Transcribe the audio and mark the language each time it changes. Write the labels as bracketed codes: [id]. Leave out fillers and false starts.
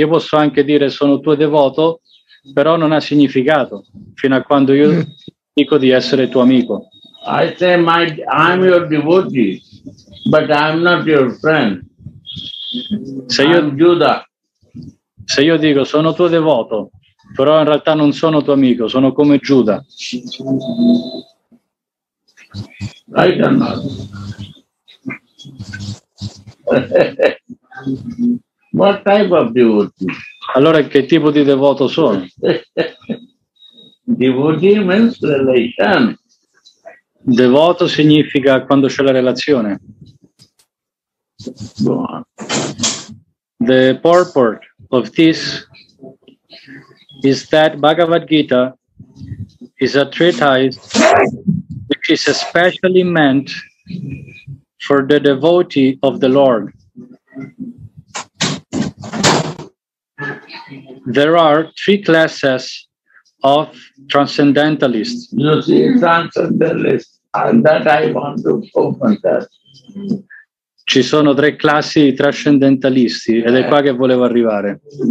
[it] Io posso anche dire sono tuo devoto, però non ha significato fino a quando io dico di essere tuo amico. [en] I say I'm your devotee, but I'm not your friend. [it] Se io, [en] I'm Judah. [it] Se io dico sono tuo devoto, però in realtà non sono tuo amico, sono come Giuda. [en] I cannot. What type of devotee? [it] Allora, che tipo di devoto sono? [en] Devotee means relation. [it] Devoto significa quando c'è la relazione. [en] The purport of this is that Bhagavad Gita is a treatise which is especially meant for the devotee of the Lord. There are three classes of transcendentalists. You see, transcendentalists, and that I want to open that. [it] Ci sono tre classi di trascendentalisti, ed è qua che volevo arrivare.